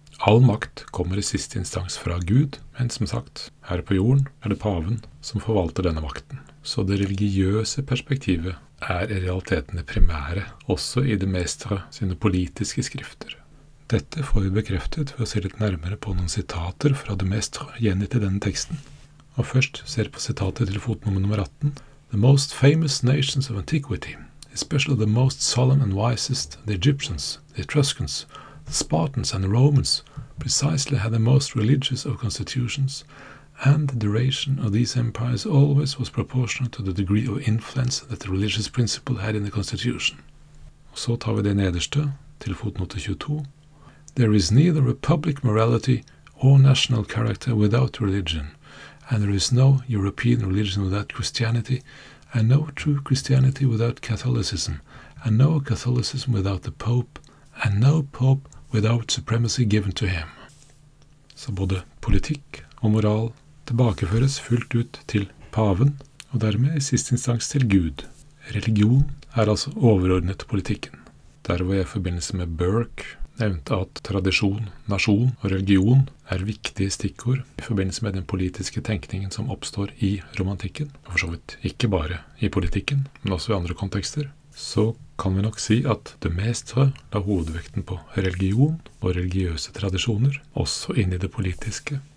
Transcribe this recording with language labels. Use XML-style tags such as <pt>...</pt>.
<no>All makt kommer i siste instans fra Gud, men som sagt, her på jorden er det paven som forvalter denne makten. Så det religiøse perspektivet er i realiteten det primære, også i det mestre sine politiske skrifter. Dette får vi bekreftet ved å se litt nærmere på noen sitater fra det mestre gjengitt i denne teksten. Og først ser på sitatet til fotnummer nummer 18.</no> <en>The most famous nations of antiquity, especially the most solemn and wisest, the Egyptians, the Etruscans, the Spartans and the Romans, precisely had the most religious of constitutions, and the duration of these empires always was proportional to the degree of influence that the religious principle had in the constitution.</en> <no>Og så tar vi det nederste til fotnote 22.</no> <en>There is neither republic morality or national character without religion, and there is no European religion without Christianity, and no true Christianity without Catholicism, and no Catholicism without the Pope, and no Pope without supremacy given to him.</en> <no>Så både politikk og moral tilbakeføres fullt ut til paven, og dermed i siste instans til Gud. Religion er altså overordnet politikken. Der var jeg i forbindelse med Burke, nevnte at tradisjon, nasjon og religion er viktige stikkord i forbindelse med den politiske tenkningen som oppstår i romantikken, og for så vidt ikke bare i politikken, men også i andre kontekster, så kan vi nok si at det mestre la hovedvekten på religion og religiøse tradisjoner, også inn i det politiske,</no>